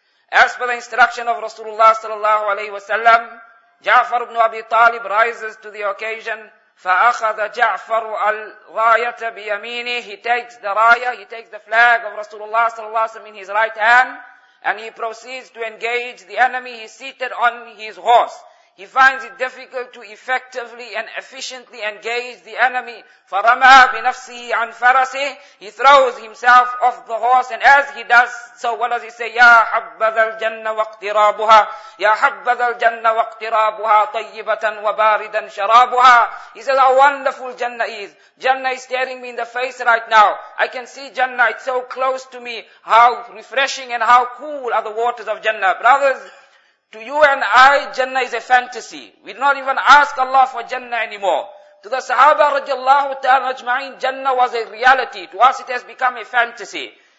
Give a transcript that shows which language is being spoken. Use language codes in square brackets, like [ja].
[en] As per the instruction of Rasulullah sallallahu alayhi wa sallam, Ja'far ibn Abi Talib rises to the occasion [ar] فَأَخَذَ جَعْفَرُ الْرَايَةَ بِيَمِينِهِ [en] He takes the raya, he takes the flag of Rasulullah sallallahu alayhi wa sallam in his right hand, and he proceeds to engage the enemy. He's seated on his horse. He finds it difficult to effectively and efficiently engage the enemy. [ar] فَرَمَى بِنَفْسِهِ عَنْ فَرَسِهِ [en] He throws himself off the horse, and as he does so, what does he say? [ar] يَا حَبَّذَ الْجَنَّ وَاقْتِرَابُهَا يَا حَبَّذَ الْجَنَّ وَاقْتِرَابُهَا طَيِّبَةً وَبَارِدًا شَرَابُهَا [en] He says, how wonderful Jannah is. Jannah is staring me in the face right now. I can see Jannah, it's so close to me. How refreshing and how cool are the waters of Jannah. Brothers, to you and I, Jannah is a fantasy. We do not even ask Allah for Jannah anymore. To the Sahaba radiallahu ta'ala ajma'in, Jannah was a reality. To us it has become a fantasy.